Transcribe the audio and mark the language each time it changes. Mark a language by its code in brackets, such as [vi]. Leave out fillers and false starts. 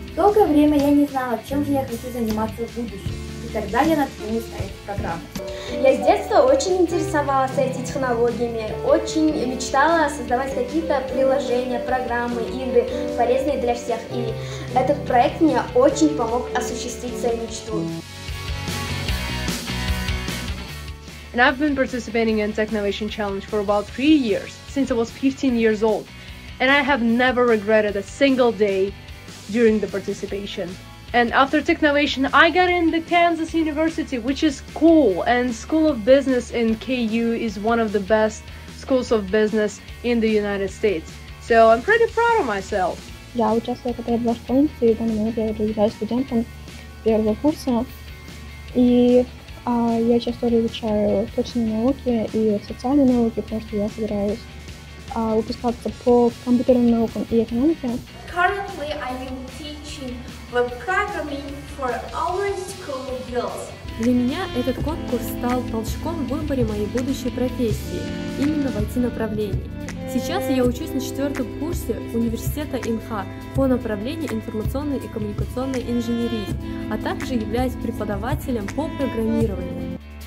[ru] Долгое время я не знала, чем же я хочу заниматься в будущем. И тогда я наткнулась на эту программу. Я с детства очень интересовалась IT-технологиями, очень мечтала создавать какие-то приложения, программы, игры, полезные для всех. И этот проект мне очень помог осуществить свою мечту. [en] And I've been participating in Technovation Challenge for about 3 years, since I was 15 years old. And I have never regretted a single day during the participation. And after Technovation, I got in the Kansas University, which is cool. And School of Business in KU is one of the best schools of business in the United States. So I'm pretty proud of myself. [ru] Я участвую в этой конференции, и в данный момент я являюсь студентом первого курса. Я сейчас тоже изучаю точные науки и социальные науки, потому что я собираюсь выпускаться по компьютерным наукам и экономике. [en] Currently I am teaching web programming for our school girls. [ru] Для меня этот конкурс стал толчком в выборе моей будущей профессии, именно в IT-направлении. Сейчас я учусь на 4-м курсе университета МХА по направлению информационной и коммуникационной инженерии, а также являюсь преподавателем по программированию.